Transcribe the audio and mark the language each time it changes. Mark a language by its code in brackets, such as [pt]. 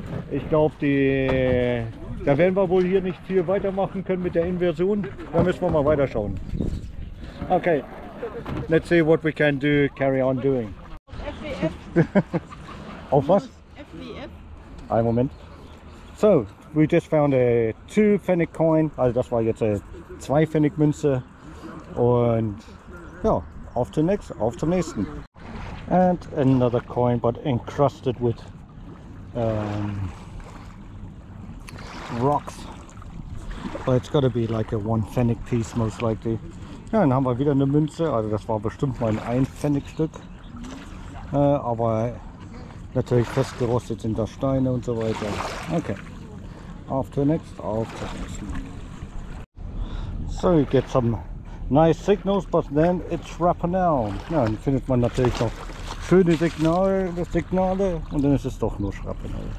[de] Ich glaube, da werden wir wohl hier nicht viel weitermachen können mit der Inversion. Da müssen wir mal weiterschauen. [en] Okay, let's see what we can do, carry on doing. FWF. [de] Auf was? FWF. Einen Moment. [en] So, we just found a 2-Pfennig coin. [de] Also das war jetzt eine 2-Pfennig Münze. Und ja. [en] Off to next, off to nächsten. And another coin, but encrusted with rocks. But it's got to be like a 1-Pfennig piece, most likely. [de] Ja, dann haben wir wieder eine Münze. Also das war bestimmt mal ein 1-Pfennig-Stück. Aber natürlich festgerostet sind da Steine und so weiter. [en] Okay. Off to next, off to nächsten. So, you get some nice signals, but then it's wrapping now. [de] Ja, dann findet man natürlich noch schöne Signale und dann ist es doch nur Schrappen.